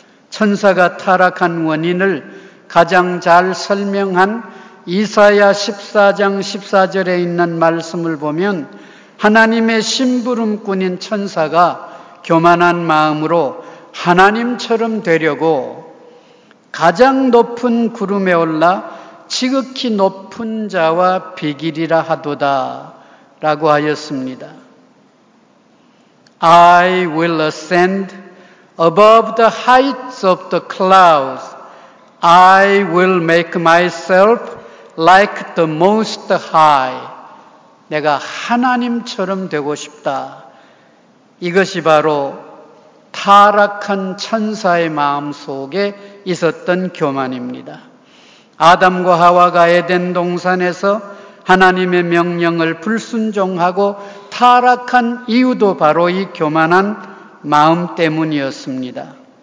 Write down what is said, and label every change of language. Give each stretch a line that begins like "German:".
Korean: 천사가 타락한 원인을 가장 잘 설명한 이사야 14장 14절에 있는 말씀을 보면 하나님의 심부름꾼인 천사가 교만한 마음으로 하나님처럼 되려고 가장 높은 구름에 올라 지극히 높은 자와 비기리라 하도다 라고 하였습니다.
English: I will ascend above the heights of the clouds. I will make myself like the most high.
Korean: 내가 하나님처럼 되고 싶다. 이것이 바로 타락한 천사의 마음 속에 있었던 교만입니다. 아담과 하와가 에덴 동산에서 하나님의 명령을 불순종하고 타락한 이유도 바로 이 교만한 마음 때문이었습니다.